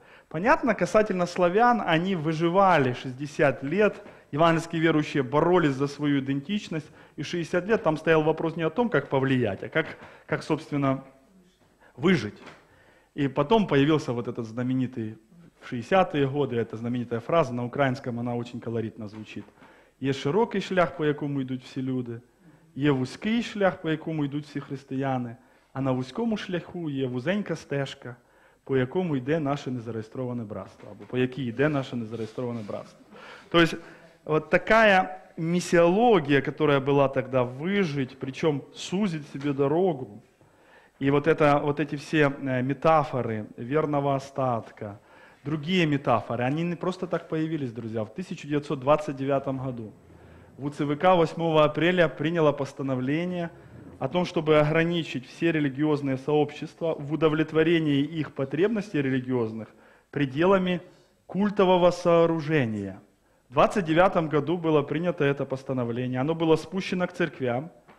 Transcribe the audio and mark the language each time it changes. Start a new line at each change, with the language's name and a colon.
Russian: Понятно, касательно славян, они выживали 60 лет, евангельские верующие боролись за свою идентичность, и 60 лет там стоял вопрос не о том, как повлиять, а как собственно, выжить. И потом появился вот этот знаменитый в 60-е годы, эта знаменитая фраза, на украинском она очень колоритно звучит.
Ukrainian: «Есть широкий шлях, по якому йдуть всі люди», є вузький шлях, по якому йдуть всі християни, а на вузькому шляху є вузенька стежка, по якому йде наше незареєстроване братство, або по якій йде наше незареєстроване братство. Тобто, от така місіологія, яка була тоді вижити, причому сузить собі дорогу, і от ці всі метафори вірного остатка, інші метафори, вони не просто так з'явилися, друзі, в 1929 році.
Russian: В УЦВК 8 апреля приняло постановление о том, чтобы ограничить все религиозные сообщества в удовлетворении их потребностей религиозных пределами культового сооружения. В 29 году было принято это постановление, оно было спущено к церквям.